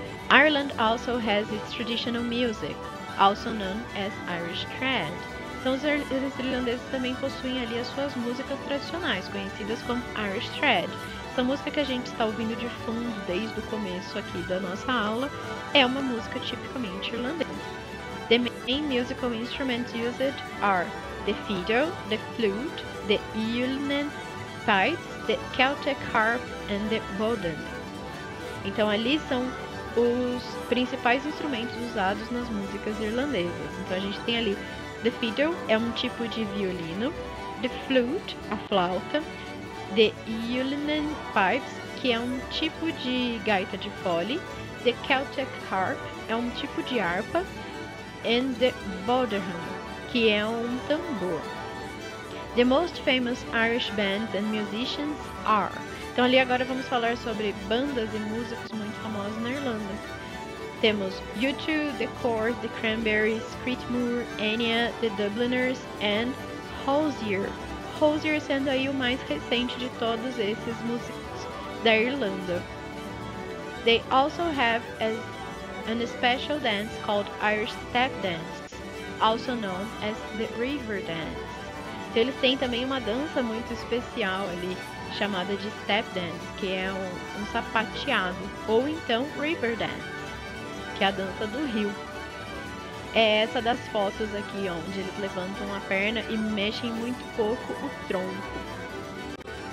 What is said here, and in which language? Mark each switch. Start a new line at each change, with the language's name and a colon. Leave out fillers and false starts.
English: Ireland also has its traditional music, also known as Irish Trad.
Portuguese: Então, os irlandeses também possuem ali as suas músicas tradicionais, conhecidas como Irish Trad. Essa música que a gente está ouvindo de fundo desde o começo aqui da nossa aula é uma música tipicamente irlandesa.
English: The main musical instruments used are the fiddle, the flute, the uilleann, pipes, the Celtic harp and the bodhrán.
Portuguese: Então ali são os principais instrumentos usados nas músicas irlandesas. Então a gente tem ali, the fiddle é um tipo de violino, the flute, a flauta, the uilleann, pipes, que é um tipo de gaita de fole, the Celtic harp é um tipo de harpa, and the bodhrán, que é um tambor.
English: The most famous Irish bands and musicians are.
Portuguese: Então ali agora vamos falar sobre bandas e músicos muito famosos na Irlanda. Temos U2, The Corrs, The Cranberries, Creedmoor, Enya, The Dubliners and Hozier. Hozier sendo aí o mais recente de todos esses músicos da Irlanda.
English: They also have a special dance called Irish Step Dance, also known as the River Dance.
Portuguese: Então eles têm também uma dança muito especial ali, chamada de Step Dance, que é um sapateado, ou então River Dance, que é a dança do rio. É essa das fotos aqui, onde eles levantam a perna e mexem muito pouco o tronco.